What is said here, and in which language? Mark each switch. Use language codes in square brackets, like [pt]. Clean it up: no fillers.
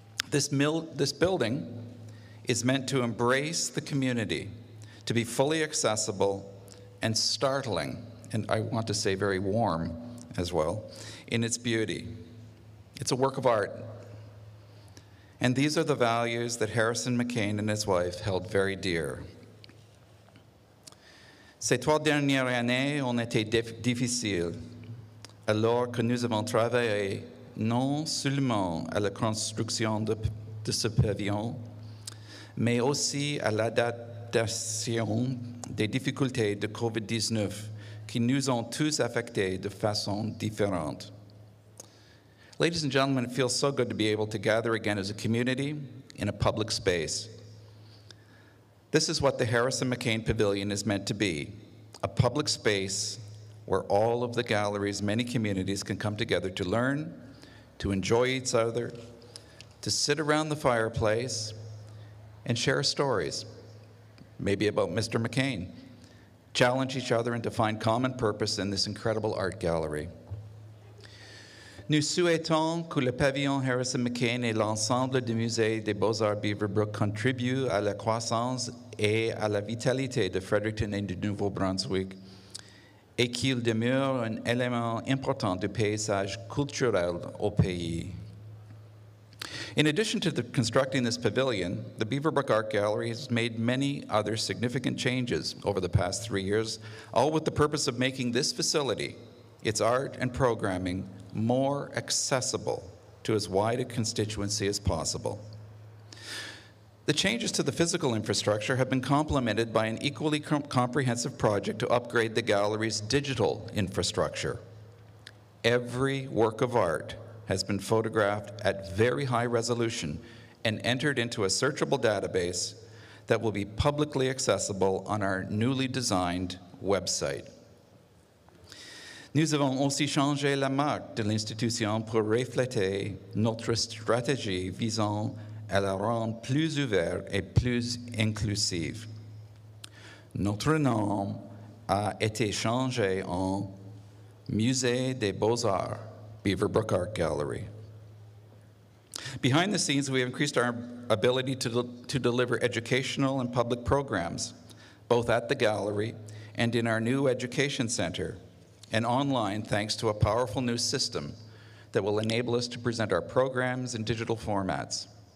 [en] This building is meant to embrace the community, to be fully accessible and startling, and I want to say very warm as well, in its beauty. It's a work of art. And these are the values that Harrison McCain and his wife held very dear. [fr] Ces trois dernières années ont été difficiles, alors que nous avons travaillé non seulement à la construction de ce pavillon, mais aussi à l'adaptation des difficultés de COVID-19 qui nous ont tous affectés de façon différente. [en] Ladies and gentlemen, it feels so good to be able to gather again as a community in a public space. This is what the Harrison McCain Pavilion is meant to be, a public space where all of the gallery's many communities can come together to learn, to enjoy each other, to sit around the fireplace and share stories, maybe about Mr. McCain, challenge each other and to find common purpose in this incredible art gallery. [fr] Nous souhaitons que le pavillon Harrison McCain et l'ensemble du musée des Beaux-Arts Beaverbrook contribuent à la croissance et à la vitalité de Fredericton et du Nouveau-Brunswick et qu'il demeure un élément important du paysage culturel au pays. [en] In addition to constructing this pavilion, the Beaverbrook Art Gallery has made many other significant changes over the past 3 years, all with the purpose of making this facility, its art and programming, more accessible to as wide a constituency as possible. The changes to the physical infrastructure have been complemented by an equally comprehensive project to upgrade the gallery's digital infrastructure. Every work of art has been photographed at very high resolution and entered into a searchable database that will be publicly accessible on our newly designed website. [fr] Nous avons aussi changé la marque de l'institution pour refléter notre stratégie visant à la rendre plus ouverte et plus inclusive. Notre nom a été changé en Musée des Beaux-Arts, Beaverbrook Art Gallery. [en] Behind the scenes, we have increased our ability to deliver educational and public programs, both at the gallery and in our new education center, and online thanks to a powerful new system that will enable us to present our programs in digital formats.